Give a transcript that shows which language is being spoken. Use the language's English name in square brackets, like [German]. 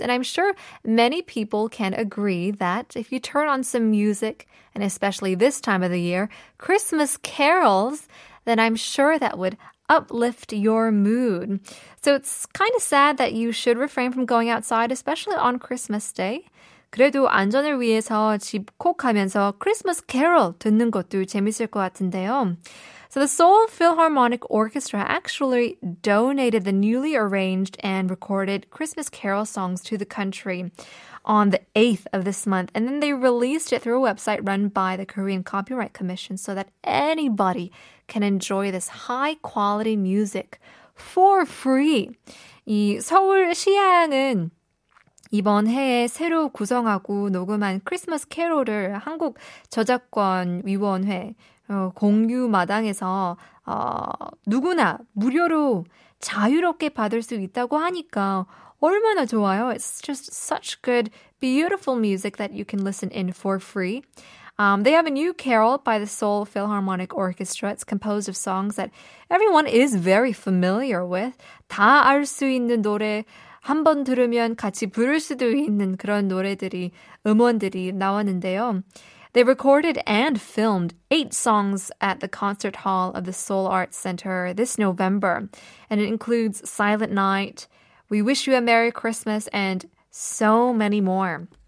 [English] And I'm sure many people can agree that if you turn on some music, and especially this time of the year, Christmas carols, then I'm sure that would uplift your mood. So it's kind of sad that you should refrain from going outside, especially on Christmas Day. [Korean] 그래도 안전을 위해서 집 콕 하면서 크리스마스 캐럴 듣는 것도 재밌을 것 같은데요. [English] So the Seoul Philharmonic Orchestra actually donated the newly arranged and recorded Christmas carol songs to the country on the 8th of this month. And then they released it through a website run by the Korean Copyright Commission so that anybody can enjoy this high-quality music for free. [Korean] 이 서울 시향은 이번 해에 새로 구성하고 녹음한 크리스마스 캐롤을 한국 저작권위원회 공유 마당에서 누구나 무료로 자유롭게 받을 수 있다고 하니까 얼마나 좋아요. [English] It's just such good, beautiful music that you can listen in for free. They have a new carol by the Seoul Philharmonic Orchestra. It's composed of songs that everyone is very familiar with. [Korean] 다 알 수 있는 노래, 한번 들으면 같이 부를 수도 있는 그런 노래들이, 음원들이 나왔는데요. [English] They recorded and filmed 8 songs at the Concert Hall of the Seoul Arts Center this November. And it includes Silent Night, We Wish You a Merry Christmas, and so many more.